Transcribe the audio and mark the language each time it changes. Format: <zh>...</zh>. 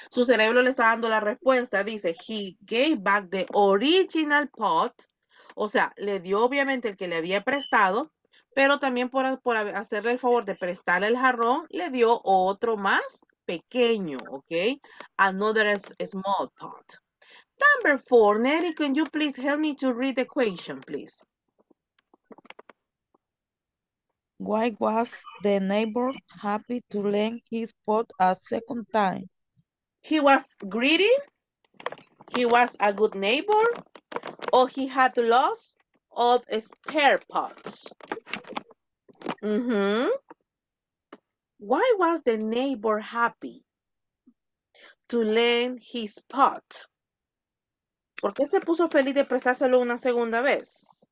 <es>Su cerebro le está dando la respuesta. Dice,</es> <en>he gave back the original pot.</en> <es>O sea, le dio obviamente el que le había prestado, Pero también por hacerle el favor de prestarle el jarrón, le dio otro más pequeño, ¿ok?</es> <en>Another small pot. Number four, Nelly, can you please help me to read the question, please? Why was the neighbor happy to lend his pot a second time? He was greedy, he was a good neighbor, or he had lots of spare pots. Mm-hmm. Why was the neighbor happy to lend his pot?</en> <es>¿Por qué se puso feliz de prestárselo una segunda vez?</es>